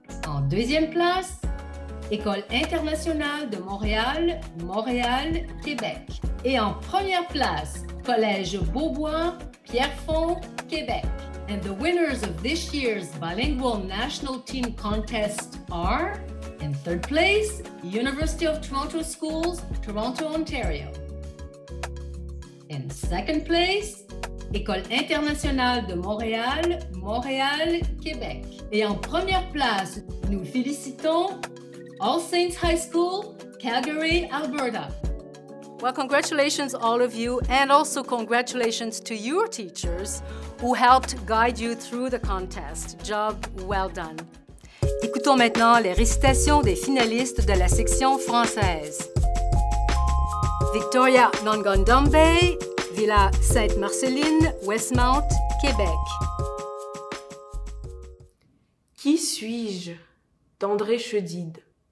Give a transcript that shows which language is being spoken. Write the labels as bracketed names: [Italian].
[French] En deuxième place, École internationale de Montréal, Montréal, Québec. Et en première place, Collège Beaubois, Pierrefonds, Québec. [English] And the winners of this year's Bilingual National Team Contest are in third place, University of Toronto Schools, Toronto, Ontario. In second place, École internationale de Montréal, Montréal, Québec. [French] Et en première place, nous félicitons All Saints High School, Calgary, Alberta. [English] Well, congratulations all of you, and also congratulations to your teachers who helped guide you through the contest. Job well done. [French] Écoutons maintenant les récitations des finalistes de la section française. Victoria Nongondombe, Villa Sainte-Marceline, Westmount, Québec. Qui suis-je, Tendré Chedide?